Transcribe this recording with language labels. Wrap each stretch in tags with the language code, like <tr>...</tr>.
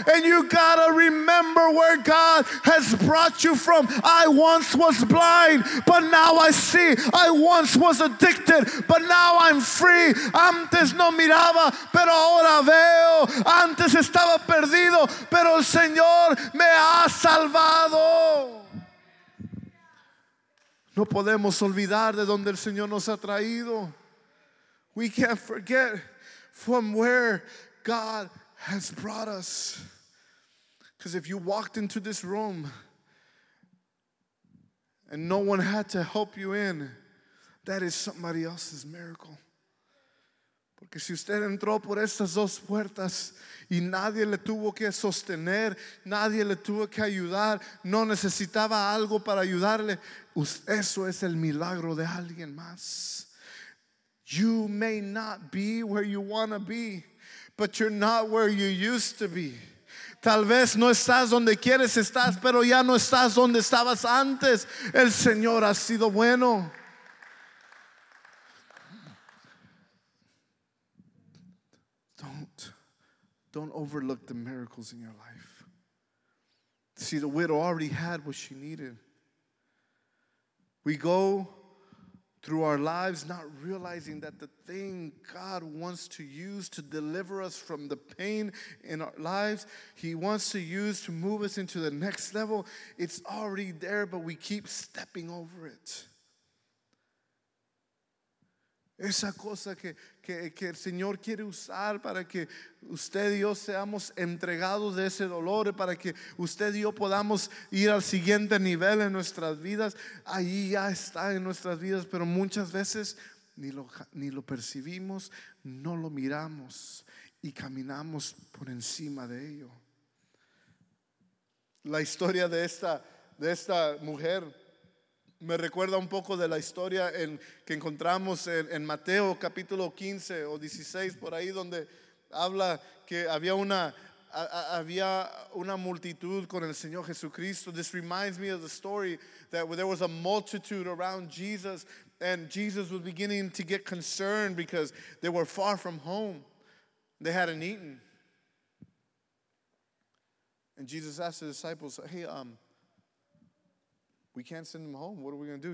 <en>And you gotta remember where God has brought you from. I once was blind, but now I see. I once was addicted, but now I'm free.</en> <es>Antes no miraba, pero ahora veo. Antes estaba perdido, pero el Señor me ha salvado. No podemos olvidar de donde el Señor nos ha traído.</es> <en>We can't forget from where God has brought us. Because if you walked into this room and no one had to help you in, that is somebody else's miracle.</en> <es>Porque si usted entró por estas dos puertas y nadie le tuvo que sostener, nadie le tuvo que ayudar, no necesitaba algo para ayudarle, eso es el milagro de alguien más.</es> <en>You may not be where you want to be, but you're not where you used to be.</en> <es>Tal vez no estás donde quieres estar, pero ya no estás donde estabas antes. El Señor ha sido bueno.</es> <en>Don't overlook the miracles in your life. See, the widow already had what she needed. We go through our lives not realizing that the thing God wants to use to deliver us from the pain in our lives, He wants to use to move us into the next level, it's already there, but we keep stepping over it.</en> <es>Esa cosa que el Señor quiere usar para que usted y yo seamos entregados de ese dolor, para que usted y yo podamos ir al siguiente nivel en nuestras vidas, ahí ya está en nuestras vidas, pero muchas veces ni lo percibimos, no lo miramos y caminamos por encima de ello. La historia de esta mujer me recuerda un poco de la historia que encontramos en Mateo capítulo 15 o 16, por ahí, donde habla que había una multitud con el Señor Jesucristo.</es> <en>This reminds me of the story that there was a multitude around Jesus, and Jesus was beginning to get concerned because they were far from home. They hadn't eaten. And Jesus asked the disciples, hey, we can't send them home. What are we going to do?</en>